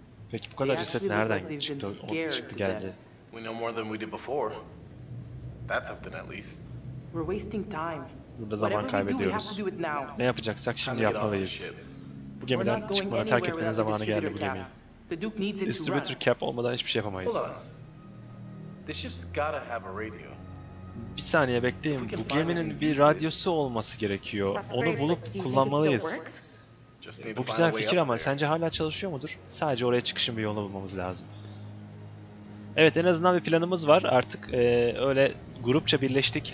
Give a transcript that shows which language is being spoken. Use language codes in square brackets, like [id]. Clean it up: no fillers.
[tr] Peki bu kadar ceset nereden çıktı? Çıktı geldi. [en] We know more than we did before. That's something at least. We're wasting time. [tr] Burada zaman kaybediyoruz. Ne yapacaksak şimdi yapmalıyız. Bu gemiden çıkmadan terk etmenin zamanı geldi bu gemiye. [en] The Duke needs it to run. [tr] Distributor cap olmadan hiçbir şey yapamayız. [en] The ship's gotta have a radio. [tr] Bir saniye bekleyin. Bu geminin bir radyosu olması gerekiyor. Onu bulup kullanmalıyız. Bu güzel fikir ama sence hala çalışıyor mudur? Sadece oraya çıkışın bir yolunu bulmamız lazım. Evet, en azından bir planımız var. Artık öyle grupça birleştik.